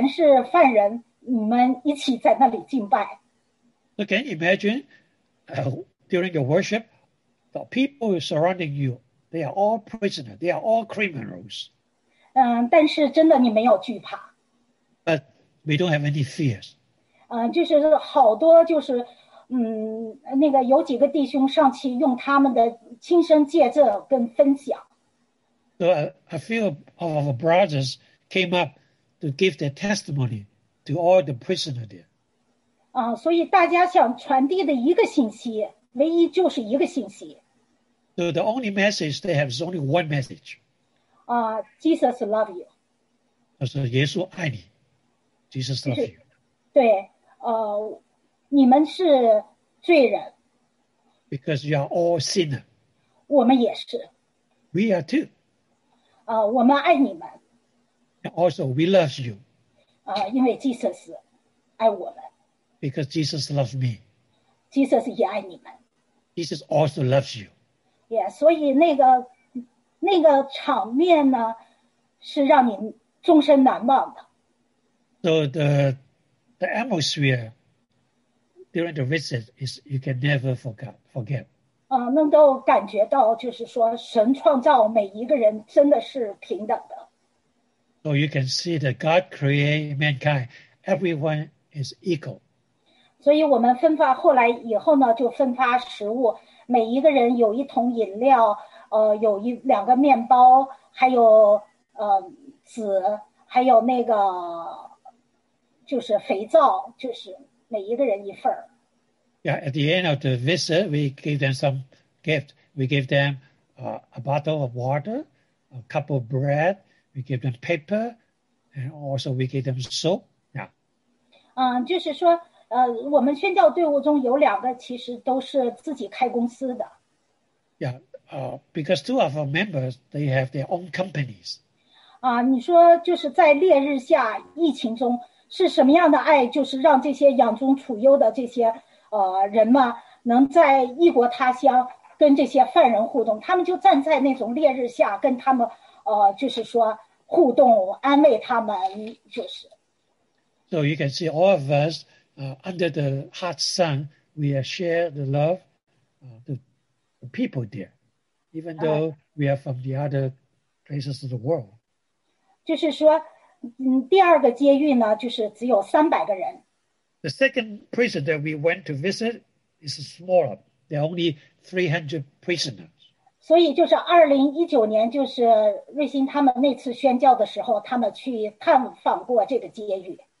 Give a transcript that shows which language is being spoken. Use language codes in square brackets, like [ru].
[zh] 你就想一想，你那个四周全是犯人，你们一起在那里敬拜。 [en] So can you imagine during your worship, the people surrounding you, they are all prisoners, they are all criminals. [zh] 但是真的你没有惧怕。 [en] But we don't have any fears. [zh] 就是好多就是。那个有几个弟兄上去用他们的亲身见证跟分享。 [en] So a few of our brothers came up to give their testimony to all the prisoners there. [zh] 所以大家想传递的一个信息，唯一就是一个信息。 [en] So the only message they have is only one message. Jesus love you. [zh] 他说耶稣爱你。 [en] Jesus love you. [zh] 对，你们是。罪人, [en] because you are all sinners. [zh] 我们也是, [en] we are too. [zh] 我们爱你们, [en] and also, we love you. [zh] 因为基督爱我们, [en] because Jesus loves me. [zh] 基督也爱你们, [en] Jesus also loves you. [zh] Yeah, 所以那个, 那个场面呢是让你终身难忘的。 [en] So the atmosphere during the visit is you can never forget. [zh] 能够感觉到就是说神创造每一个人真的是平等的。 [en] So you can see that God created mankind, everyone is equal. [zh] 所以我们分发后来以后呢就分发食物，每一个人有一桶饮料，有一两个面包，还有纸，还有那个就是肥皂，就是每一个人一份儿。 [en] Yeah, at the end of the visit, we gave them some gift. We gave them a bottle of water, a cup of bread. We gave them paper, and also we gave them soap. Yeah. [zh] 就是说，我们宣教队伍中有两个其实都是自己开公司的。 [en] Yeah. Because two of our members, they have their own companies. [zh] 你说就是在烈日下疫情中是什么样的爱，就是让这些养尊处优的这些人嘛，能在异国他乡跟这些犯人互动，他们就站在那种烈日下跟他们就是说互动安慰他们，就是。 [en] So you can see all of us, under the hot sun, we share the love, the people there. Even though we are from the other places of the world. [zh] 就是说，第二个监狱呢，就是只有300个人。 [en] The second prison that we went to visit is smaller. There are only 300 prisoners. [zh] 所以就是2019年，就是瑞星他们那次宣教的时候，他们去探访过这个监狱。